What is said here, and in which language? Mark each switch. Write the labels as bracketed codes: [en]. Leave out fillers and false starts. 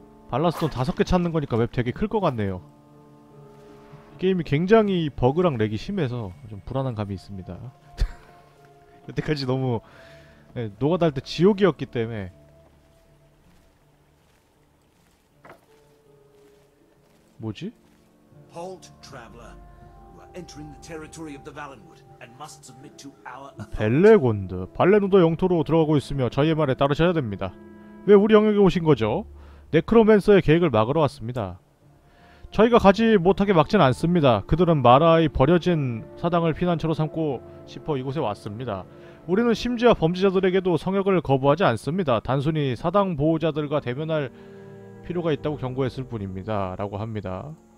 [ko] 발라스톤 5개 찾는 거니까 맵 되게 클것 같네요. 게임이 굉장히 버그랑 렉이 심해서 좀 불안한 감이 있습니다. 여태까지 너무 노가다 할때 지옥이었기 때문에 뭐지? [en] Halt, traveler. You are entering the territory of the Valenwood and must submit to our authority. [ko] 벨레곤드. 발레누더 영토로 들어가고 있으며 저희의 말에 따르셔야 됩니다. 왜 우리 영역에 오신 거죠? 네크로맨서의 계획을 막으러 왔습니다. 저희가 가지 못하게 막진 않습니다. 그들은 마라의 버려진 사당을 피난처로 삼고 싶어 이곳에 왔습니다. 우리는 심지어 범죄자들에게도 성역을 거부하지 않습니다. 단순히 사당 보호자들과 대면할 필요가 있다고 경고했을 뿐입니다. 라고 합니다.